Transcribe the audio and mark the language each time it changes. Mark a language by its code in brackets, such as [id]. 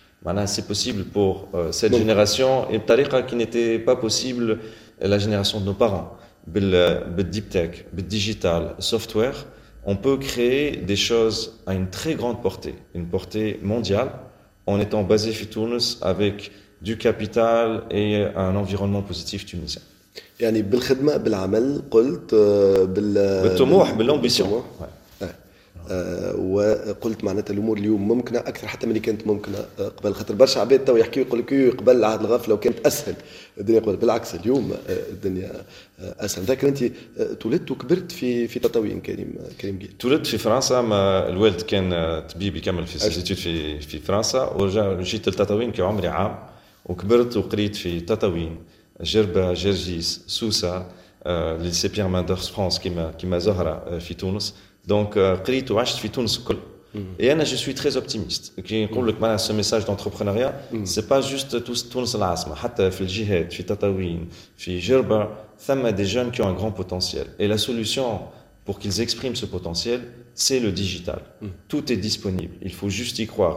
[fr] Maintenant, c'est possible pour cette génération. Et tariqa qui n'était pas possible, la génération de nos parents. [en] Bel deep tech, bel digital, software. [fr] On peut créer des choses à une très grande portée, une portée mondiale, en étant basé sur Tunis avec du capital et un environnement positif tunisien. [ar] يعني بالخدمة بالعمل قلت بالطموح بالامبيسيون. وقلت معناتها الامور اليوم ممكنه اكثر حتى من اللي كانت ممكنه قبل خاطر برشا عباد تو يحكي يقول لك قبل العهد الغفله وكانت اسهل الدنيا قبل بالعكس اليوم الدنيا اسهل ذاكر انت تولدت وكبرت في تطاوين كريم جيل تولدت في فرنسا ما الوالد كان طبيب يكمل في سيتيود في فرنسا وجيت لتطاوين كي عمري عام وكبرت وقريت في تطاوين جربه جرجيس سوسه ليسي بيير ماندرس فرانس كيما زهره في تونس. [fr] Donc, et je suis très optimiste. Ce message d'entrepreneuriat, ce n'est pas juste Tunis l'asma. [ar] Hatta fil jihad, fil tatawin, fil jirba, [fr] il y a des jeunes qui ont un grand potentiel. Et la solution pour qu'ils expriment ce potentiel, c'est le digital. Tout est disponible. Il faut juste y croire.